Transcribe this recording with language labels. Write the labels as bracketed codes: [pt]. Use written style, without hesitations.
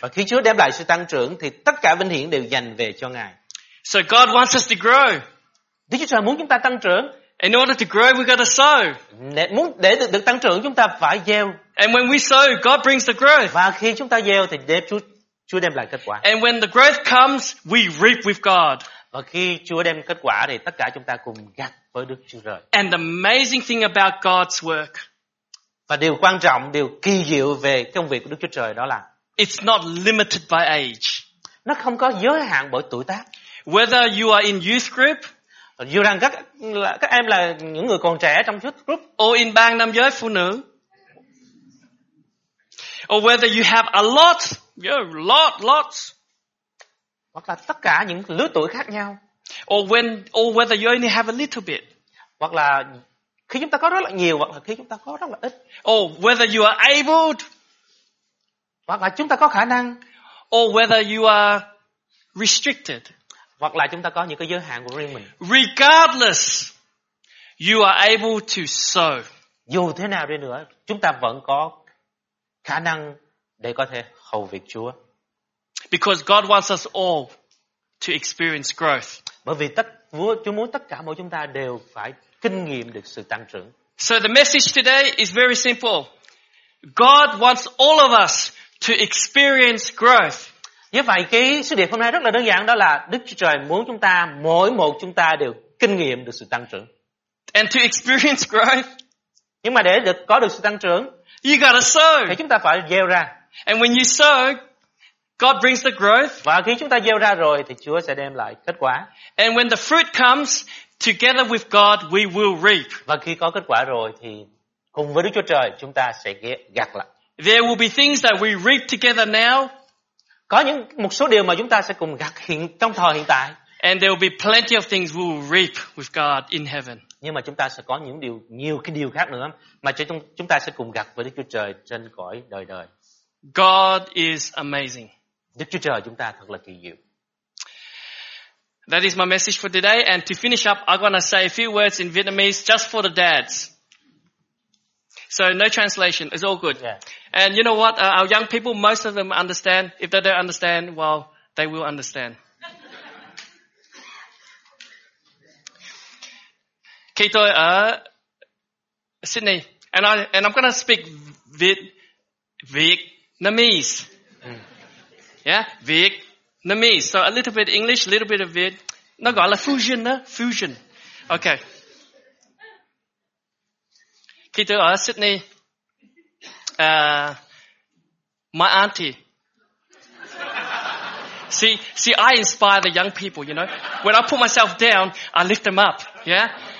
[vi] Và khi Chúa đem lại sự tăng trưởng thì tất cả vinh hiển đều dành về cho Ngài. [en] So God wants us to grow. [vi] Đức Chúa Trời muốn chúng ta tăng trưởng. [en] In order to grow, we got to sow. [vi] Muốn để được tăng trưởng chúng ta phải gieo. [en] And when we sow, God brings the growth. [vi] Và khi chúng ta gieo thì Chúa đem lại kết quả. [en] And when the growth comes, we reap with God. [vi] Và khi Chúa đem kết quả thì tất cả chúng ta cùng gặt với Đức Chúa Trời. [en] And the amazing thing about God's work. [vi] Và điều quan trọng, điều kỳ diệu về công việc của Đức Chúa Trời đó là [en] it's not limited by age. [vi] Nó không có giới hạn bởi tuổi tác. [en] Whether you are in youth group, [vi] dù rằng các em là những người còn trẻ trong youth group, [en] or in [vi] ban nam giới phụ nữ, [en] or whether you have a lot, lots, [vi] hoặc là tất cả những lứa tuổi khác nhau, [en] or whether you only have a little bit, [vi] hoặc là khi chúng ta có rất là nhiều, hoặc là khi chúng ta có rất là ít, [en] or whether you are abled, [vi] hoặc là chúng ta có khả năng, [en] or whether you are restricted, [vi] hoặc là chúng ta có những cái giới hạn của riêng mình. [en] Regardless, you are able to sow. [vi] Dù thế nào đi nữa, chúng ta vẫn có khả năng để có thể hầu việc Chúa. [en] Because God wants us all to experience growth. [vi] Bởi vì Chúa muốn tất cả mọi chúng ta đều phải kinh nghiệm được sự tăng trưởng. [en] So the message today is very simple. God wants all of us to experience growth. [vi] Như vậy cái sứ điệp hôm nay rất là đơn giản, đó là Đức Chúa Trời muốn chúng ta, mỗi một chúng ta đều kinh nghiệm được sự tăng trưởng. [en] And to experience growth. [vi] Nhưng mà để được có được sự tăng trưởng, [en] you gotta sow. [vi] Thì chúng ta phải gieo ra. [en] And when you sow, God brings the growth. [vi] Và khi chúng ta gieo ra rồi thì Chúa sẽ đem lại kết quả. [en] And when the fruit comes, together with God, we will reap. [vi] Và khi có kết quả rồi thì cùng với Đức Chúa Trời chúng ta sẽ gặt lại. [en] There will be things that we reap together now. [vi] Có những một số điều mà chúng ta sẽ cùng gặt trong thời hiện tại. [en] And there will be plenty of things we will reap with God in heaven. [vi] Nhưng mà chúng ta sẽ có những điều, nhiều cái điều khác nữa mà chúng ta sẽ cùng gặt với Đức Chúa Trời trên cõi đời đời. [en] God is amazing. [vi] Đức Chúa Trời chúng ta thật là kỳ diệu. [en] That is my message for today. And to finish up, I want to say a few words in Vietnamese just for the dads. So no translation, it's all good. Yeah. And you know what? Our young people, most of them understand. If they don't understand, well, they will understand. [vi] Khi tôi ở Sydney, [en] and I'm gonna speak Vietnamese. Yeah, Vietnamese. So a little bit English, a little bit of Viet. [vi] Nó gọi là fusion đó, fusion. Okay. Khi tôi ở Sydney, [en] my auntie. See, I inspire the young people, you know. When I put myself down, I lift them up, yeah?